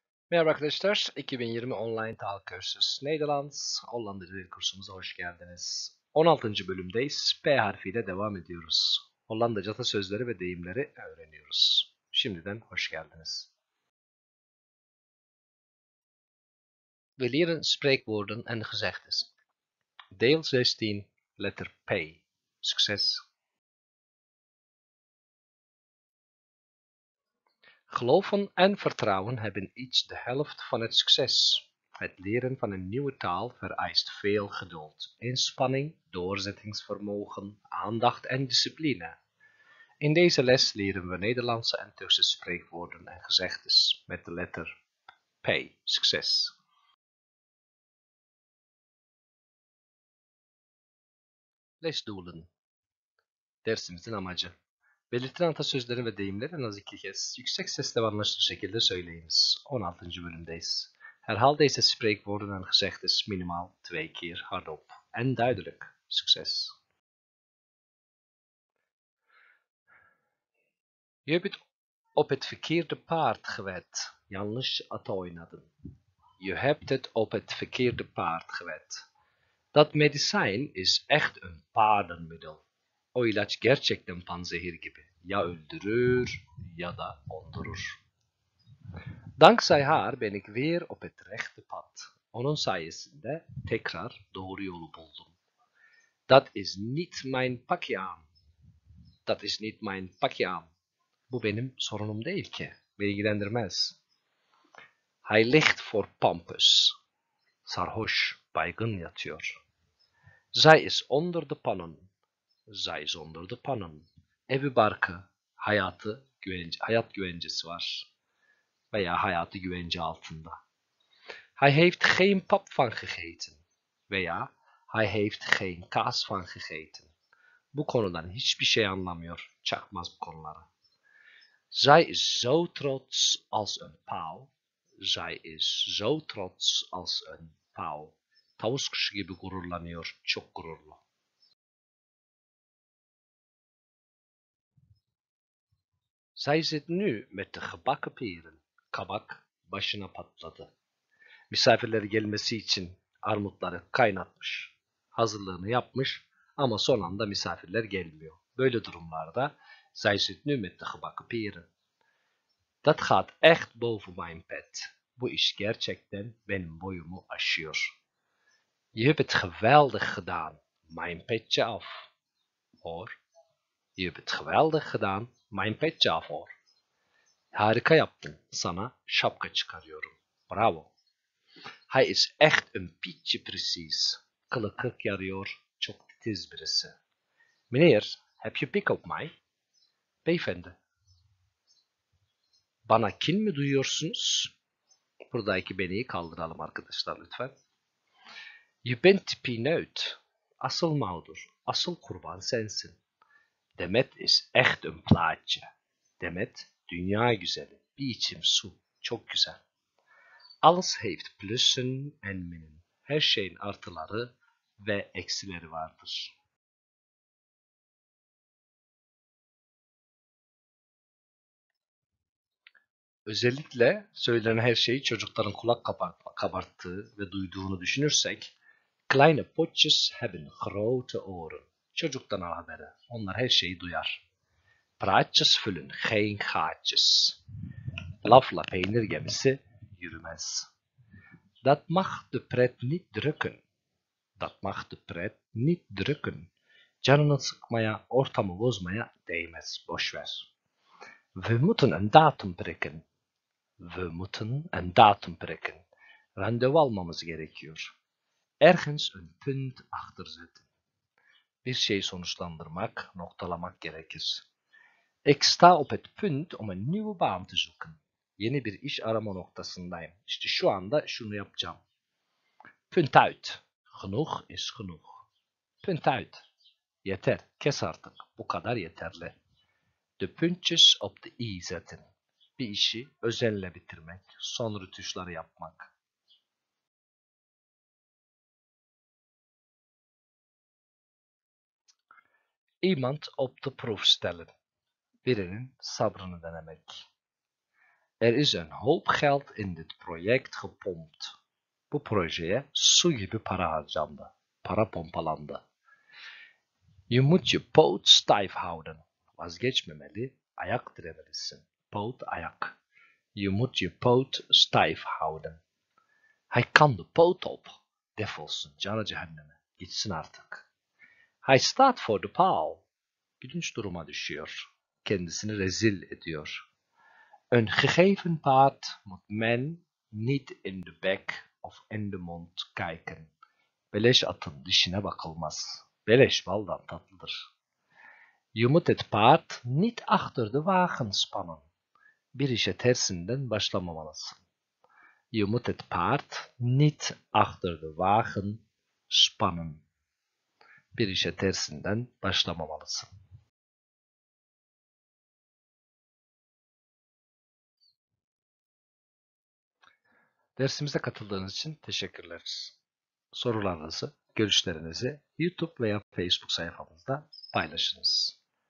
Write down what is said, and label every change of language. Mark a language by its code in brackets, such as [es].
[tr] Merhaba arkadaşlar, 2020 online TOEIC kursus Nederlands, Hollanda dil kursumuza hoş geldiniz. 16. bölümdeyiz, P harfiyle devam ediyoruz. Hollandaca da sözleri ve deyimleri öğreniyoruz. Şimdiden hoş geldiniz. [nl] We leren spreekwoorden en gezegdes. Deel 16, letter P. Succes! Geloven en vertrouwen hebben iets de helft van het succes. Het leren van een nieuwe taal vereist veel geduld, inspanning, doorzettingsvermogen, aandacht en discipline. In deze les leren we Nederlandse en Turkse spreekwoorden en gezegdes met de letter P. Succes! Lesdoelen. [tr] Dersimizin amacı. Belirtilen atasözlerin ve deyimlerin az iki kez yüksek sesle ve anlaşılır şekilde söyleyiniz. 16. bölümdeyiz. [nl] Herhalde ise spreekwoorden en gezegdes minimaal twee keer hardop en duidelijk. Succes! Je hebt op het verkeerde paard gewed. [tr] Yanlış ata oynadın. [nl] You hebt het op het verkeerde paard gewed. Dat medicijn is echt een paardenmiddel. [tr] O ilaç gerçekten panzehir gibi. Ya öldürür ya da ondurur. [nl] Dankzij haar ben ik weer op het rechte pad. [tr] Onun sayesinde tekrar doğru yolu buldum. [nl] Dat is niet mijn pakje aan. Dat is niet mijn pakje aan. [tr] Bu benim sorunum değil ki. Beni ilgilendirmez. [nl] Hij ligt voor pampus. [tr] Sarhoş, baygın yatıyor. [nl] Zij is onder de pannen. Zij zonder de pannen. [tr] Evi barkı, hayatı, güvence, hayat güvencesi var. Veya hayatı güvence altında. [nl] Hij heeft geen pap van gegeten. Veya hij heeft geen kaas van gegeten. [tr] Bu konudan hiçbir şey anlamıyor. Çakmaz bu konulara. [nl] Zij is zo trots als een pauw. Zij is zo trots als een pauw. [tr] Tavus kuşu gibi gururlanıyor. Çok gururlu. [nl] Zij zit nu met de gebakken peren. [tr] Kabak başına patladı. Misafirleri gelmesi için armutları kaynatmış. Hazırlığını yapmış ama son anda misafirler gelmiyor. Böyle durumlarda [nl] zij zit nu met de gebakken peren. Dat gaat echt boven mijn pet. [tr] Bu iş gerçekten benim boyumu aşıyor. [nl] Je hebt het geweldig gedaan. Mijn petje af. Hoor. Je hebt het geweldig gedaan. Mijn petje af hoor. [tr] Harika yaptın. Sana şapka çıkarıyorum. Bravo. [nl] Hij is echt een pietje precies. [tr] Kılı kırk yarıyor. Çok titiz birisi. Meneer, heb je pick up my? Beyefendi. Bana kin mi duyuyorsunuz? Buradaki beni kaldıralım arkadaşlar lütfen. [nl] Je bent pineut. [tr] Asıl mağdur. Asıl kurban sensin. [nl] Demet is echt een plaatje. [tr] Demet, dünya güzeli. Bir içim su. Çok güzel. [nl] Alles heeft plussen en minnen. [tr] Her şeyin artıları ve eksileri vardır. Özellikle söylenen her şeyi çocukların kulak kabarttığı ve duyduğunu düşünürsek, [nl] kleine potjes hebben grote oren. [tr] Çocuktan al haberi. Onlar her şeyi duyar. [nl] Praatjes füllen geen gaatjes. [tr] Lafla peynir gemisi yürümez. [nl] Dat mag de pret niet drukken. Dat mag de pret niet drukken. [tr] Canını sıkmaya, ortamı bozmaya değmez. Boşver. [nl] We moeten een datum prikken. We moeten een datum prikken. [tr] Randevu almamız gerekiyor. [nl] Ergens een punt achter zetten. [tr] Bir şey sonuçlandırmak, noktalamak gerekir. [nl] Ik sta op het punt om een nieuwe baan te zoeken. [tr] Yeni bir iş arama noktasındayım. İşte şu anda şunu yapacağım. [nl] Punt uit. Genoeg is genoeg. Punt uit. [tr] Yeter. Kes artık. Bu kadar yeterli. [nl] De puntjes op de i zetten. [tr] Bir işi özenle bitirmek, son rötuşları yapmak. [nl] İmant op de proef stellen. [tr] Birinin sabrını denemek. [nl] Er is een hoop geld in dit project gepompt. [tr] Bu projeye su gibi para harcandı. Para pompalandı. [nl] Je moet je poot stijf houden. [tr] Vazgeçmemeli, ayak diremelisin. Poot, ayak. [nl] Je moet je poot stijf houden. Hij kan de poot op. [tr] Defolsun, canı cehenneme. Gitsin artık. [nl] Hij staat voor de paal. [tr] Gülünç duruma düşüyor. Kendisini rezil ediyor. [nl] Een gegeven paard moet men niet in de bek of in de mond kijken. [tr] Beleş atın dişine bakılmaz. Beleş baldan tatlıdır. [nl] Je moet het paard niet achter de wagen spannen. [tr] Bir işe tersinden başlamamalısın. [nl] Je moet het paard niet achter de wagen spannen. [tr] Bir işe tersinden başlamamalısın. Dersimize katıldığınız için teşekkürler. Sorularınızı, görüşlerinizi YouTube veya Facebook sayfamızda paylaşınız.